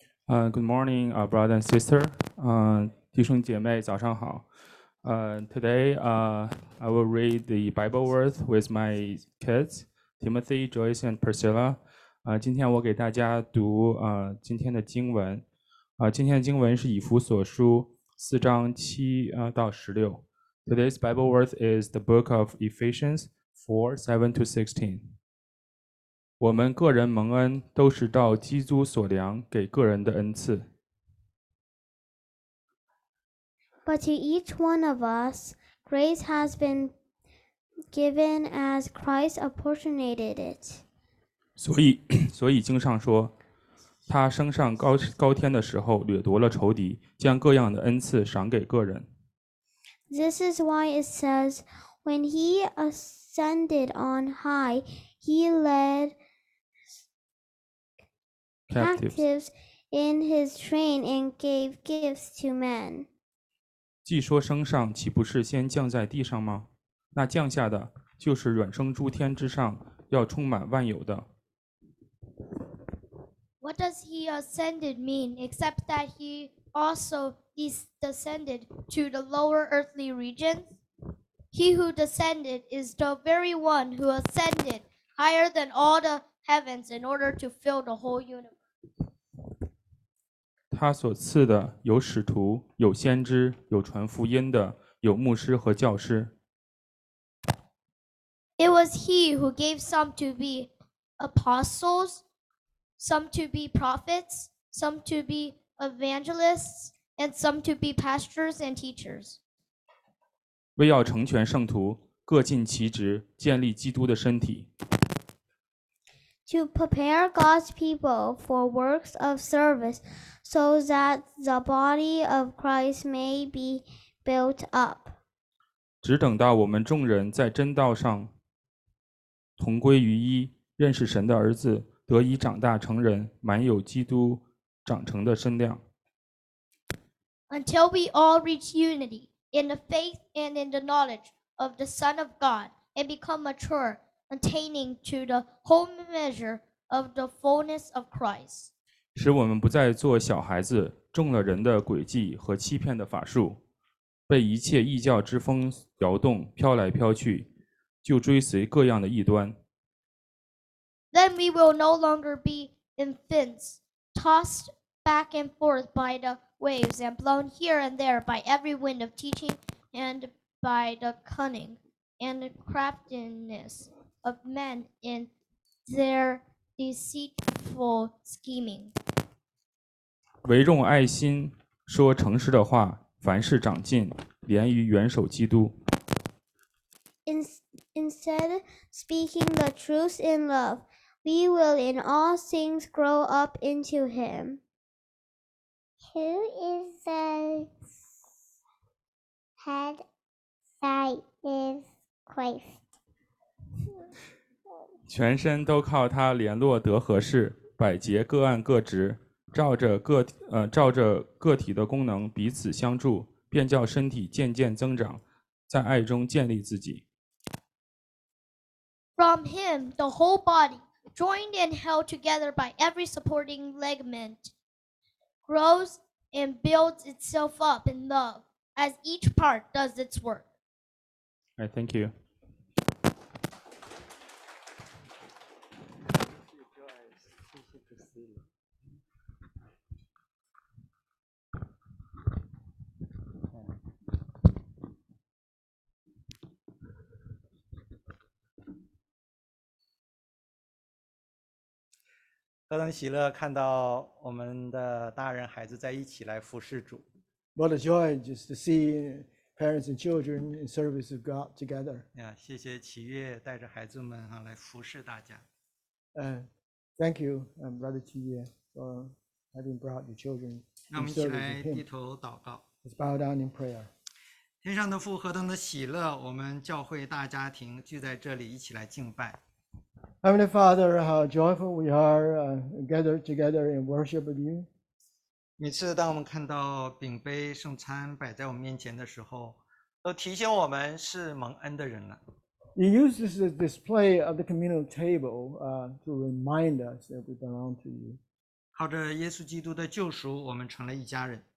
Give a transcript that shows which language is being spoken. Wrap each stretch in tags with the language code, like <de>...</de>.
<en>Good morning, brother and sister.</en> <zh>弟兄姐妹，早上好。</zh> <en>Today, I will read the Bible verse with my kids, Timothy, Joyce, and Priscilla.</en> <zh>今天我给大家读今天的经文。今天的经文是以弗所书四章七到十六。</zh> <en>Today's Bible verse is the Book of Ephesians 4:7-16.</en> <zh>我们个人蒙恩都是照基督所量给个人的恩赐。</zh> <en>But to each one of us, grace has been given as Christ apportioned it.</en> <zh>所以经上说，他升上高天的时候掠夺了仇敌，将各样的恩赐赏给个人。</zh> <en>This is why it says, when he ascended on high, he ledcaptives in his train and gave gifts to men.</en> <zh>既说升上，岂不是先降在地上吗？那降下的就是远升诸天之上，要充满万有的。</zh> <en>What does he ascended mean, except that he also descended to the lower earthly regions? He who descended is the very one who ascended higher than all the heavens in order to fill the whole universe.</en> <zh>他所赐的有使徒，有先知，有传福音的，有牧师和教师。</zh> <en>It was he who gave some to be apostles, some to be prophets, some to be evangelists, and some to be pastors and teachers.</en> <zh>为要成全圣徒，各尽其职，建立基督的身体。</zh> <en>To prepare God's people for works of service, so that the body of Christ may be built up.</en> <zh>只等到我们众人在真道上同归于一，认识神的儿子，得以长大成人，满有基督长成的身量。</zh> <en>Until we all reach unity in the faith and in the knowledge of the Son of God and become mature. Attaining to the whole measure of the fullness of Christ.</en> <zh>使我们不再做小孩子，中了人的诡计和欺骗的法术，被一切异教之风摇动，飘来飘去，就追随各样的异端。</zh> <en>Then we will no longer be infants, tossed back and forth by the waves and blown here and there by every wind of teaching and by the cunning and craftiness. Of men in their deceitful scheming.</en> <zh>唯用爱心说诚实的话，凡事长进，连于元首基督。</zh> <en>Instead speaking the truth in love, we will in all things grow up into him. Who is the head that is Christ?</en> <zh>全身都靠他联络得合适，百节各按各职，照着个体的功能彼此相助，便叫身体渐渐增长，在爱中建立自己。</zh> <en>From him, the whole body, joined and held together by every supporting ligament, grows and builds itself up in love as each part does its work. All right, thank you.</en> <zh>何等喜乐看到我们的大人孩子在一起来服侍主。</zh> <en>What a joy just to see parents and children in service of God together.</en> <zh>Yeah, 谢谢启悦带着孩子们来服侍大家。</zh> <en>Thank you, Brother 启悦 for having brought your children.</en> <zh>那我们一起来低头祷告。</zh> <en>Let's bow down in prayer.</en> <zh>天上的父，何等的喜乐，我们教会大家庭聚在这里一起来敬拜。</zh> <en>Heavenly Father, how joyful we are gathered together in worship of you.</en> <zh>每次当我们看到饼杯圣餐摆在我们面前的时候，都提醒我们是蒙恩的人了。</zh> <en>He uses the display of the communal table to remind us that we belong to you.</en> <zh>靠着耶稣基督的救赎，我们成了一家人。</zh>